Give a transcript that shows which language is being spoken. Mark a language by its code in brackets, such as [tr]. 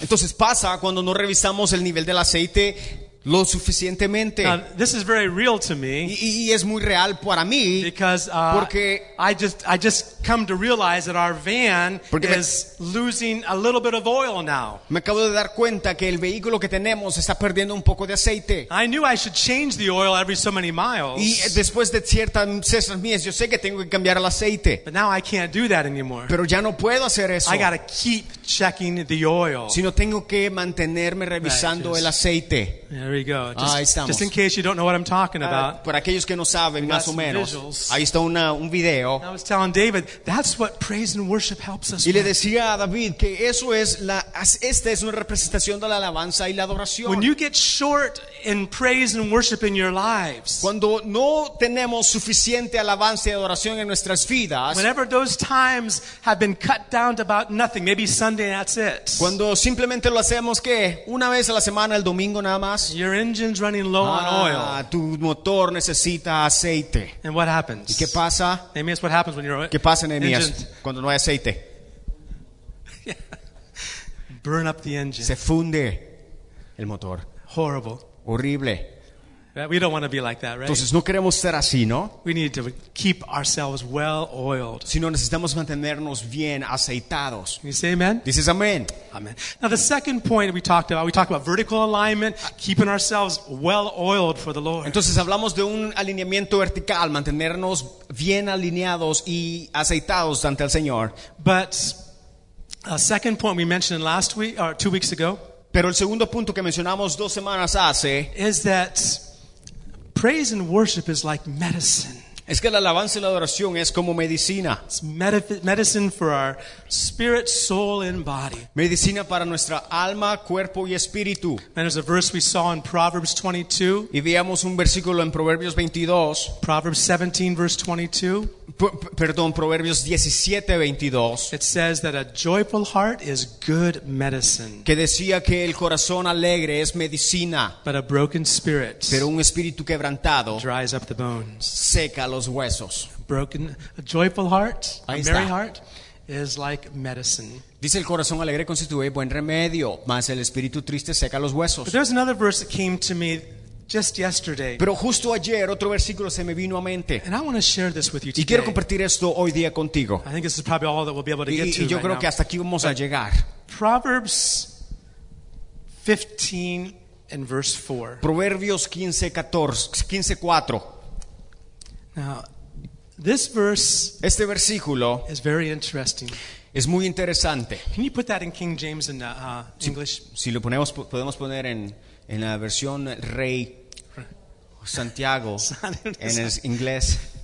[es] Entonces pasa cuando no revisamos el nivel del aceite lo suficientemente. [en] Now, this is very real to me. [es] Y es muy real para mí. [en] Because I just come to realize that our van is losing a little bit of oil now. [es] Me acabo de dar cuenta que el vehículo que tenemos está perdiendo un poco de aceite. [en] I knew I should change the oil every so many miles. [es] Y después de ciertas millas, yo sé que tengo que cambiar el aceite. [en] But now I can't do that anymore. [es] Pero ya no puedo hacer eso. [en] I gotta keep checking the oil. [es] Sino tengo que mantenerme revisando el aceite. [en] There we go. [es] Ahí estamos. [en] Just in case you don't know what I'm talking about. [es] Por aquellos que no saben, más o menos. [en] Visuals. [es] Ahí está un video. [en] I was telling David, that's what praise and worship helps us [es] with. Y le decía a David que eso es esta es una representación de la alabanza y la adoración. [en] When you get short in praise and worship in your lives. [es] Cuando no tenemos suficiente alabanza y adoración en nuestras vidas. [en] Whenever those times have been cut down to about nothing, maybe Sunday and that's it. [es] Cuando simplemente lo hacemos que una vez a la semana, el domingo nada más. [en] Your engine's running low on oil. [es] Tu motor necesita aceite. [en] And what happens? [es] ¿Y qué pasa? [en] Amos, what happens when you're [es] ¿qué pasa, Amos, cuando no hay aceite? [en] Burn up the engine. [es] Se funde el motor. [en] Horrible. [es] Horrible. [en] We don't want to be like that, right? [es] Entonces no queremos ser así, ¿no? [en] We need to keep ourselves well oiled. [es] Sino necesitamos mantenernos bien aceitados. [en] You say amen? [es] Dices amén. [en] Amen. Now the second point we talked about vertical alignment, keeping ourselves well oiled for the Lord. [es] Entonces hablamos de un alineamiento vertical, mantenernos bien alineados y aceitados ante el Señor. [en] But a second point we mentioned last week or 2 weeks ago. [es] Pero el segundo punto que mencionamos 2 semanas hace [en] is that praise and worship is like medicine. [es] Es que la alabanza y la adoración es como medicina. [en] It's medicine for our spirit, soul, and body. [es] Medicina para nuestra alma, cuerpo y espíritu. [en] And there's a verse we saw in Proverbs 22. [es] Y veíamos un versículo en Proverbios 22. [en] Proverbs 17, verse 22. [es] Perdón, Proverbios 17, 22. [en] It says that a joyful heart is good medicine. [es] Que decía que el corazón alegre es medicina. [en] But a broken spirit. [es] Pero un espíritu quebrantado. [en] Dries up the bones. [es] Seca los huesos. [en] Broken, a joyful heart, a merry heart, is like medicine. [es] Dice el corazón alegre constituye buen remedio, mas el espíritu triste seca los huesos. [en] But there's another verse that came to me just yesterday. [es] Pero justo ayer otro versículo se me vino a mente. [en] And I want to share this with you today. [es] Y quiero compartir esto hoy día contigo. [en] I think this is probably all that we'll be able to get to. [es] Y yo creo [en] right [es] que hasta aquí vamos [en] but [es] a llegar. [en] Proverbs 15 and verse 4. [es] Proverbios 15:4. [en] Now, this verse, [es] este versículo, [en] is very interesting. [es] Es muy interesante. [en] Can you put that in King James in English? [es] Si lo ponemos, podemos poner en la versión Rey Santiago en el inglés.